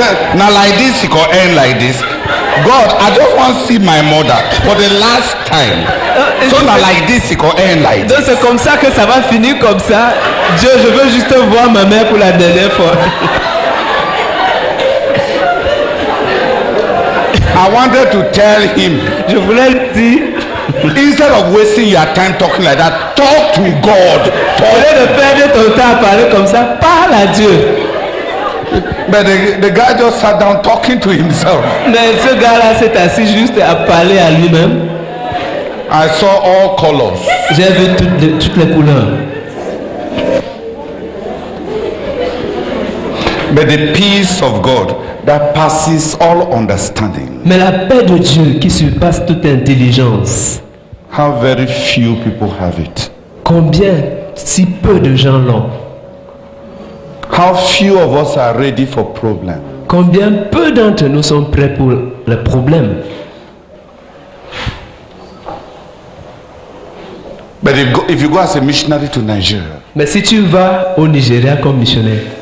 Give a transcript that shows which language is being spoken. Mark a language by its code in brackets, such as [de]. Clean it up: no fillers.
[en] Now like this, he could end like this. God, I just want to see my mother for the last time. So now like this, he could end like this. [fr] Donc c'est comme ça que ça va finir comme ça. Dieu, je veux juste voir ma mère pour la dernière fois. [en] I wanted to tell him. [fr] Je voulais dire. [en] Instead of wasting your time talking like that, talk to God. [fr] Au lieu de perdre ton temps à parler comme ça, parle à Dieu. [en] But the guy just sat down talking to himself. [fr] Mais ce gars-là s'est assis juste à parler à lui-même. [en] I saw all colors. [fr] J'ai vu toutes les couleurs. [en] But the peace of God that passes all understanding. [fr] Mais la paix de Dieu qui surpasse toute intelligence. [en] How very few people have it. [fr] Combien si peu de gens l'ont. [en] How few of us are ready for problems? [fr] Combien peu d'entre nous sont prêts pour le problème? [en] But if you go as a missionary to Nigeria. [fr] Mais si tu vas au Nigeria comme missionnaire.